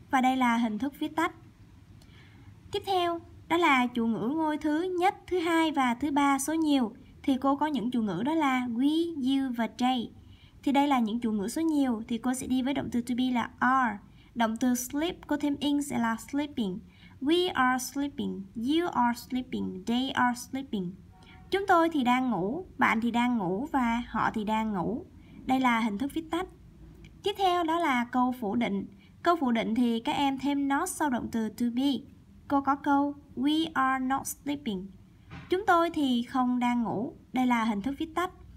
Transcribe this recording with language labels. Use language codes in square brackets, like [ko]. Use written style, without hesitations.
[vi] Và đây là hình thức viết tắt. Tiếp theo, đó là chủ ngữ ngôi thứ nhất, thứ hai và thứ ba số nhiều. Thì cô có những chủ ngữ đó là we, you và they. Thì đây là những chủ ngữ số nhiều, thì cô sẽ đi với động từ to be là are. Động từ sleep cô thêm in sẽ là sleeping. [en] We are sleeping, you are sleeping, they are sleeping. [vi] Chúng tôi thì đang ngủ, bạn thì đang ngủ và họ thì đang ngủ. Đây là hình thức viết tắt. Tiếp theo đó là câu phủ định. Câu phủ định thì các em thêm not sau động từ to be. Cô có câu [en] we are not sleeping, [vi] chúng tôi thì không đang ngủ. Đây là hình thức viết tắt.